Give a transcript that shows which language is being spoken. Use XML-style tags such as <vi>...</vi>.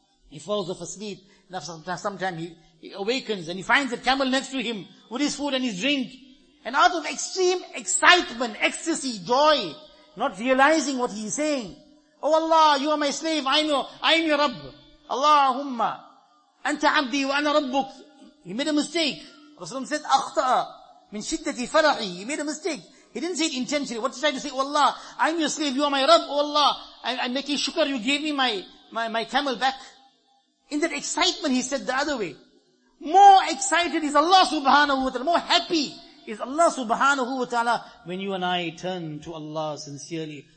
<en>He falls off asleep, and after some time he awakens, and he finds the camel next to him, with his food and his drink, and out of extreme excitement, ecstasy, joy, not realizing what he's saying, oh Allah, you are my slave, I'm your Rabb,</en> <ar>Allahumma, anta abdi wa ana rabbuk.</ar> <en>He made a mistake. Rasulullah said,</en> <ar>أَخْطَأَ مِنْ شِدَّةِ فَرَحِي.</ar> <en>He made a mistake. He didn't say it intentionally. What did he try to say? Oh Allah, I'm your slave, you are my Rabb. Oh Allah, I'm making shukr, you gave me my camel back. In that excitement, he said the other way. More excited is Allah subhanahu wa ta'ala. More happy is Allah subhanahu wa ta'ala when you and I turn to Allah sincerely.</en>